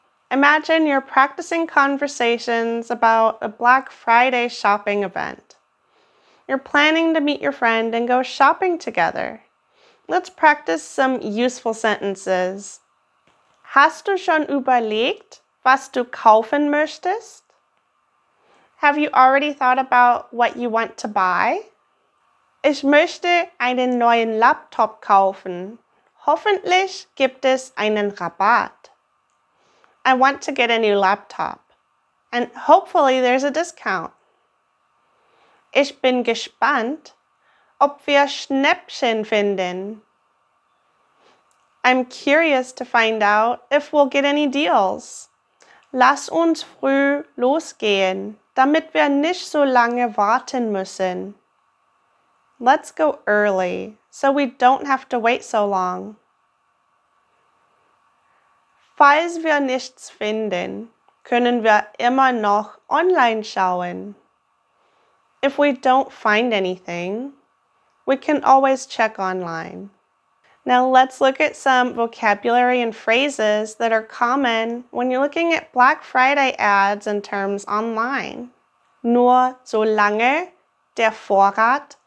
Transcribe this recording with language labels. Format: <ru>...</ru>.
<en>Imagine you're practicing conversations about a Black Friday shopping event. You're planning to meet your friend and go shopping together. Let's practice some useful sentences.</en> <de>Hast du schon überlegt, was du kaufen möchtest?</de> <en>Have you already thought about what you want to buy?</en> <de>Ich möchte einen neuen Laptop kaufen. Hoffentlich gibt es einen Rabatt.</de> <en>I want to get a new laptop. And hopefully there's a discount.</en> <de>Ich bin gespannt, ob wir Schnäppchen finden.</de> <en>I'm curious to find out if we'll get any deals.</en> <de>Lass uns früh losgehen, damit wir nicht so lange warten müssen.</de> <en>Let's go early, so we don't have to wait so long.</en> <de>Falls wir nichts finden, können wir immer noch online schauen.</de> <en>If we don't find anything, we can always check online. Now let's look at some vocabulary and phrases that are common when you're looking at Black Friday ads and terms online.</en> <de>Nur solange der Vorrat</de>